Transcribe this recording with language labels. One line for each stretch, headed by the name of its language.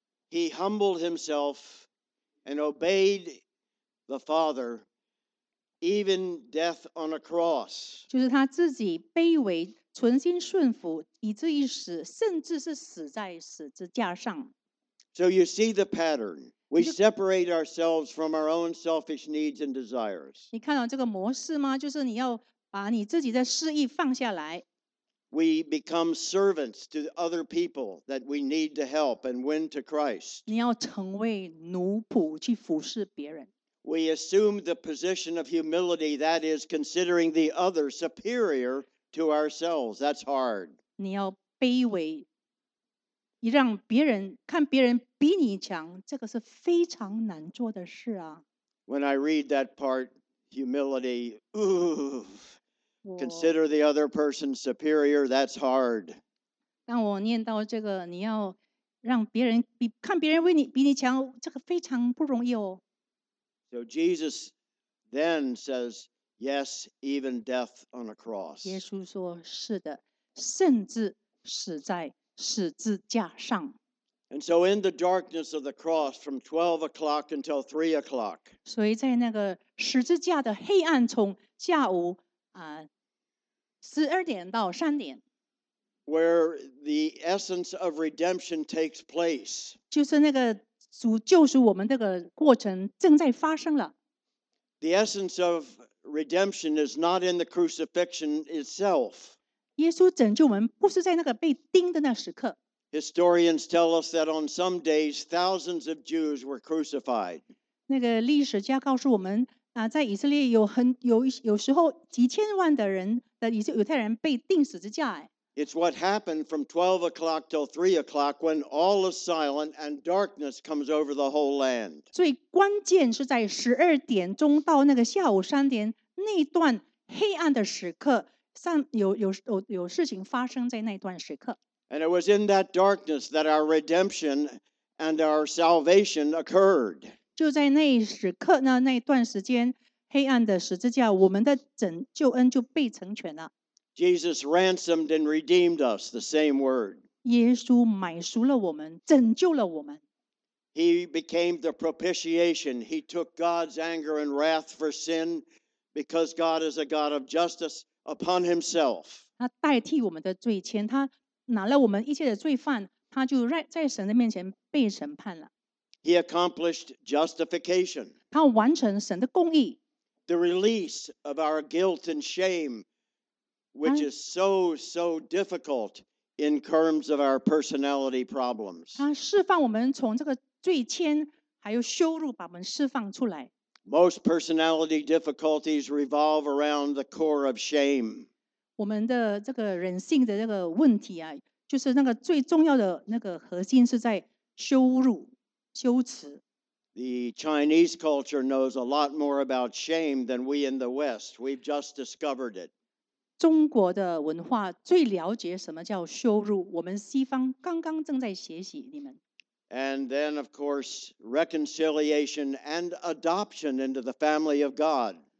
English: He humbled himself and obeyed the Father, even death on a cross.
Chinese: 就是他自己卑微，存心顺服，以至于死，甚至是死在十字架上。
English: So you see the pattern. We separate ourselves from our own selfish needs and desires.
Chinese: 你看到这个模式吗？就是你要把你自己的事意放下来。
English: We become servants to other people that we need to help and win to Christ.
Chinese: 你要成为奴仆去服侍别人。
English: We assume the position of humility, that is, considering the other superior to ourselves. That's hard.
Chinese: 你要卑微，你让别人看别人比你强，这个是非常难做的事啊。
English: When I read that part, humility, consider the other person superior, that's hard.
Chinese: 当我念到这个，你要让别人比看别人为你比你强，这个非常不容易哦。
English: So Jesus then says, yes, even death on a cross.
Chinese: 耶稣说，是的，甚至死在十字架上。
English: And so in the darkness of the cross from 12 o'clock until 3 o'clock.
Chinese: 所以在那个十字架的黑暗从下午12点到3点。
English: Where the essence of redemption takes place.
Chinese: 就是那个主救赎我们这个过程正在发生了。
English: The essence of redemption is not in the crucifixion itself.
Chinese: 耶稣拯救我们不是在那个被钉的那时刻。
English: Historians tell us that on some days, thousands of Jews were crucified.
Chinese: 那个历史家告诉我们，在以色列有时候几千万的人的以色列犹太人被钉十字架。
English: It's what happened from 12 o'clock till 3 o'clock when all is silent and darkness comes over the whole land.
Chinese: 最关键是在12点钟到那个下午3点那段黑暗的时刻，有事情发生在那段时刻。
English: And it was in that darkness that our redemption and our salvation occurred.
Chinese: 就在那时刻呢，那段时间，黑暗的十字架，我们的拯救恩就被成全了。
English: Jesus ransomed and redeemed us, the same word.
Chinese: 耶稣买赎了我们，拯救了我们。
English: He became the propitiation. He took God's anger and wrath for sin because God is a God of justice upon himself.
Chinese: 他代替我们的罪愆，他拿了我们一切的罪犯，他就在神的面前被审判了。
English: He accomplished justification.
Chinese: 他完成神的公义。
English: The release of our guilt and shame, which is so, so difficult in terms of our personality problems.
Chinese: 他释放我们从这个罪愆还有羞辱，把我们释放出来。
English: Most personality difficulties revolve around the core of shame.
Chinese: 我们的这个人性的这个问题啊，就是那个最重要的那个核心是在羞辱、羞耻。
English: The Chinese culture knows a lot more about shame than we in the West. We've just discovered it.
Chinese: 中国的文化最了解什么叫羞辱，我们西方刚刚正在学习你们。
English: And then, of course, reconciliation and adoption into the family of God.